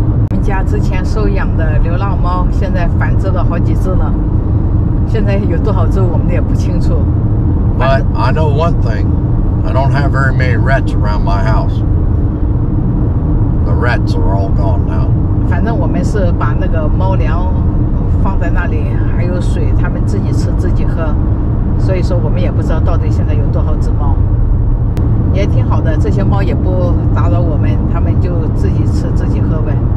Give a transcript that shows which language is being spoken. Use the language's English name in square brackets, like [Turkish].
[Chinese] 我们家之前收养的流浪猫，现在繁殖了好几只了。现在有多少只，我们也不清楚。 [English] But I know one thing. I don't have very many rats around my house. The rats are all gone now. [Chinese] 反正我们是把那个猫粮放在那里，还有水，他们自己吃自己喝。所以说我们也不知道到底现在有多少只猫，也挺好的，这些猫也不打扰我们，他们就自己吃自己喝呗。